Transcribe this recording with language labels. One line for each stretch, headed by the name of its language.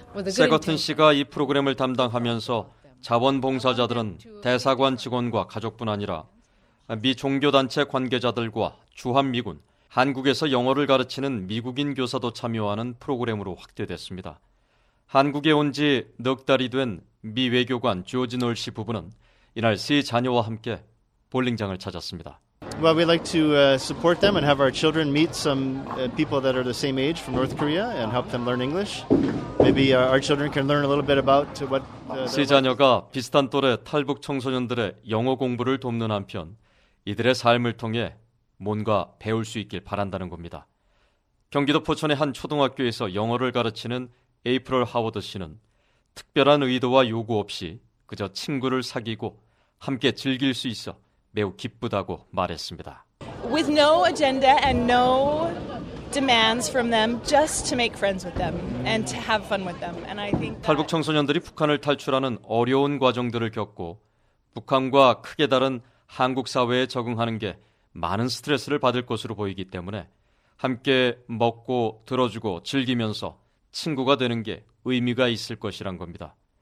Korean: 세거튼 씨가 이 프로그램을 담당하면서 자원봉사자들은 대사관 직원과 가족뿐 아니라 미 종교단체 관계자들과 주한미군, 한국에서 영어를 가르치는 미국인 교사도 참여하는 프로그램으로 확대됐습니다. 한국에 온 지 넉 달이 된 미 외교관 조지 놀 씨 부부는 이날 세 자녀와 함께 볼링장을 찾았습니다.
English: Well, we'd like to support them and have our children meet some people that are the same age from North Korea and help them learn English. Maybe our children can learn a little bit about what
Korean: 세 자녀가 비슷한 또래 탈북 청소년들의 영어 공부를 돕는 한편 이들의 삶을 통해 뭔가 배울 수 있길 바란다는 겁니다. 경기도 포천의 한 초등학교에서 영어를 가르치는 에이프럴 하워드 씨는 특별한 의도와 요구 없이 그저 친구를 사귀고 함께 즐길 수 있어 매우 기쁘다고 말했습니다.
English: With no agenda and no demands from them, just to make friends with them and to have fun with them. And I think
Korean: 탈북 청소년들이 북한을 탈출하는 어려운 과정들을 겪고 북한과 크게 다른 한국 사회에 적응하는 게 많은 스트레스를 받을 것으로 보이기 때문에 함께 먹고 들어주고 즐기면서 친구가 되는 게 의미가 있을 것이란 겁니다.